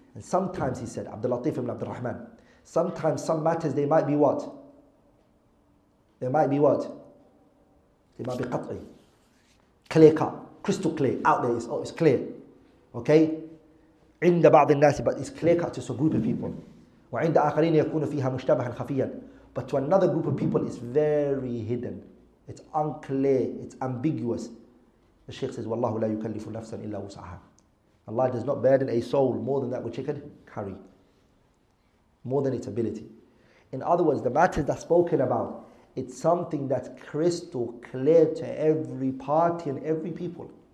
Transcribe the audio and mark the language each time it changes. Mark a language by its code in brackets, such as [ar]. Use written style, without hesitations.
[en] And sometimes he said, Abdul Latif ibn Abdul Rahman, sometimes some matters they might be what? They might be what? It might be qat'i, clear cut, crystal clear, out there, it's clear. Okay? [ar] عند بعض الناس, [en] but it's clear cut to a group of people. [ar] وعند آخرين يكون فيها مشتبها خفيا. [en] But to another group of people, it's very hidden. It's unclear. It's ambiguous. The Sheikh says, [ar] "Wallahu la yukallifu nafsan illa wus'aha." [en] Allah does not burden a soul more than that which it can carry, more than its ability. In other words, the matter that's spoken about, it's something that's crystal clear to every party and every people.